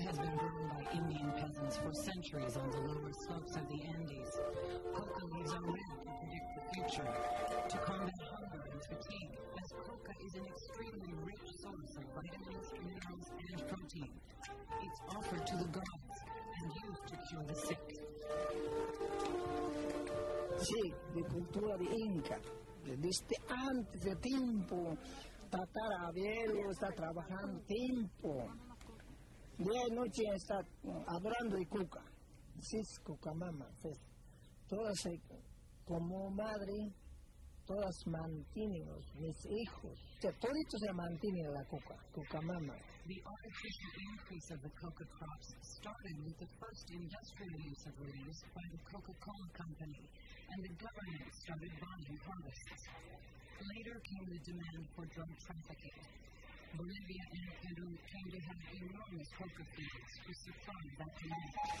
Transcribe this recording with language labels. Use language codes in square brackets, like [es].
[en] centuries on the lower slopes of the Andes. Coca leaves a map to predict the future, to combat hunger and fatigue, as coca is an extremely rich source of vitamins, minerals, and protein. It's offered to the gods and used to cure the sick. [es] Sí, de cultura de Inca, desde antes de tiempo, tatarabuelo está trabajando tiempo. Día y noche está hablando de coca. Sí, es coca mama. Todas, como madre, todas mantienen los mis hijos. O sea, todo se mantiene la coca, coca mama. [en] The artificial increase of the coca crops started with the first industrial use of leaves by the Coca-Cola Company, and the government started buying harvests. Later came the demand for drug trafficking. Bolivia and Peru came to have enormous coca fields to supply that demand.